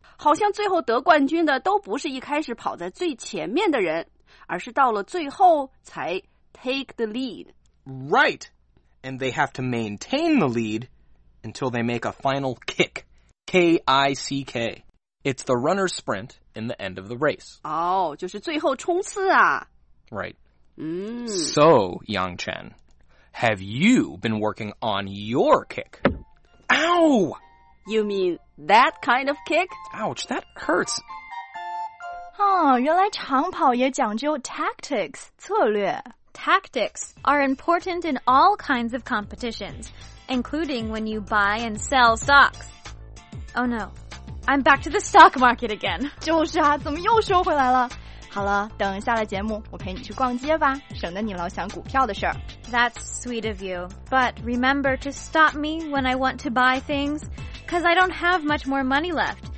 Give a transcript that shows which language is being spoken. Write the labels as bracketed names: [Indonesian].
[Chinese] 好像最后得冠军的都不是一开始跑在最前面的人，而是到了最后才 [English] take the lead. Right. And they have to maintain the lead until they make a final kick. K-I-C-K. It's the runner's sprint in the end of the race. [Chinese] 哦、oh, 就是最后冲刺啊。 [English] Right.、 Mm. So, Yang Chen, have you been working on your kick? Ow! You mean... That kind of kick? Ouch, that hurts. [Chinese] 哦，原来长跑也讲究 tactics, 策略。 [English] Tactics are important in all kinds of competitions, including when you buy and sell stocks. Oh no, I'm back to the stock market again. [Chinese] 就是啊，怎么又收回来了？好了，等下了节目，我陪你去逛街吧，省得你老想股票的事儿。 [English] That's sweet of you, but remember to stop me when I want to buy things, because I don't have much more money left.